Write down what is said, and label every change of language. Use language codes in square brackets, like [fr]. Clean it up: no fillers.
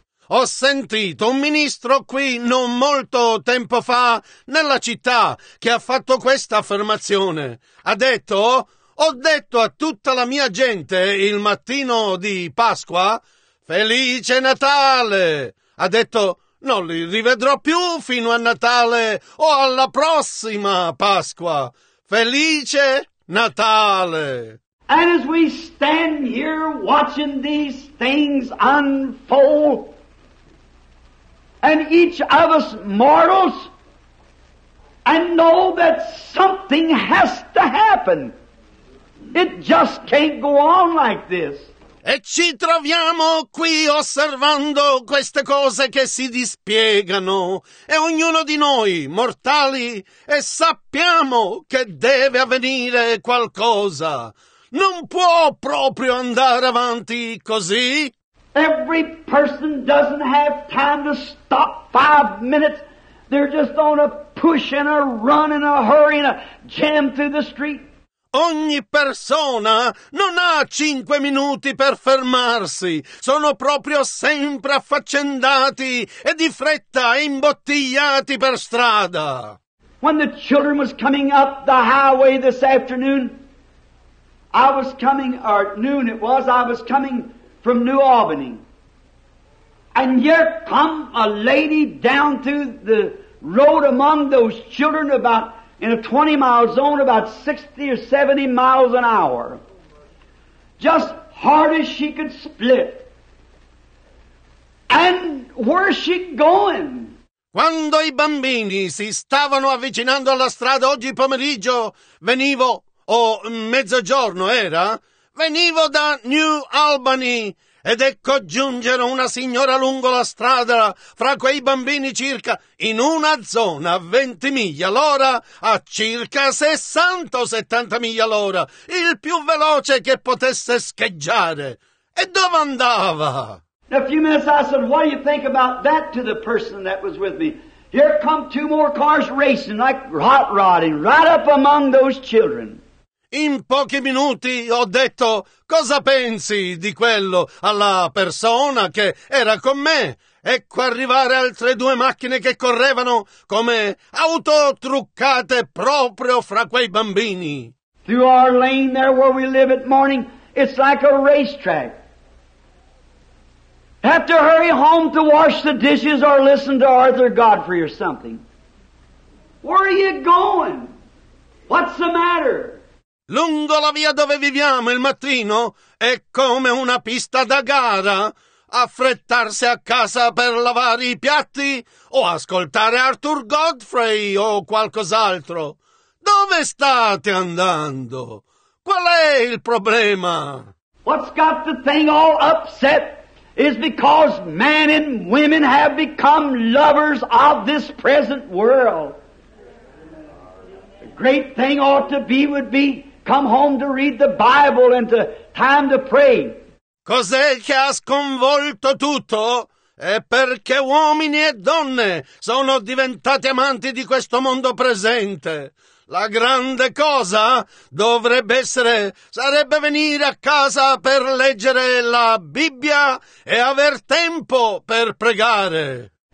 [it] Ho sentito un ministro qui non molto tempo fa nella città che ha fatto questa affermazione. Ha detto, ho detto a tutta la mia gente il mattino di Pasqua, Felice Natale! Ha detto, non li rivedrò più fino a Natale o alla prossima Pasqua. Felice Natale! [en] And as we stand here watching these things unfold, and each of us mortals, and know that something has to happen. It just can't go on like this. [it] E ci troviamo qui osservando queste cose che si dispiegano, e ognuno di noi, mortali, e sappiamo che deve avvenire qualcosa. Non può proprio andare avanti così. [en] Every person doesn't have time to stop 5 minutes. They're just on a push and a run and a hurry and a jam through the street. [it] Ogni persona non ha 5 minuti per fermarsi. Sono proprio sempre affaccendati e di fretta imbottigliati per strada. [en] When the children was coming up the highway this afternoon, I was coming, or noon it was, I was coming from New Albany. And here come a lady down through the road among those children about in a 20-mile zone, about 60 or 70 miles an hour, just hard as she could split. And where's she going? [it] Quando i bambini si stavano avvicinando alla strada oggi pomeriggio, venivo, o mezzogiorno era, venivo da New Albany, ed ecco giungere una signora lungo la strada fra quei bambini circa in una zona a 20 miglia l'ora a circa 60 o 70 miglia l'ora, il più veloce che potesse scheggiare. E dove andava? [en] A few minutes I said, what do you think about that to the person that was with me? Here come two more cars racing like hot rodding right up among those children. [it] In pochi minuti ho detto, cosa pensi di quello alla persona che era con me? Ecco arrivare altre due macchine che correvano come auto truccate proprio fra quei bambini. [en] Through our lane there where we live at morning, it's like a racetrack. Have to hurry home to wash the dishes or listen to Arthur Godfrey or something. Where are you going? What's the matter? [it] Lungo la via dove viviamo il mattino è come una pista da gara. Affrettarsi a casa per lavare i piatti o ascoltare Arthur Godfrey o qualcos'altro. Dove state andando? Qual è il problema? [en] What's got the thing all upset is because men and women have become lovers of this present world. The great thing ought to be would be come home to read the Bible and to time to pray. [it] Cos'è che ha sconvolto tutto? È perché uomini e donne sono diventati amanti di questo mondo presente. La grande cosa dovrebbe essere, sarebbe venire a casa per leggere la Bibbia e aver tempo per pregare.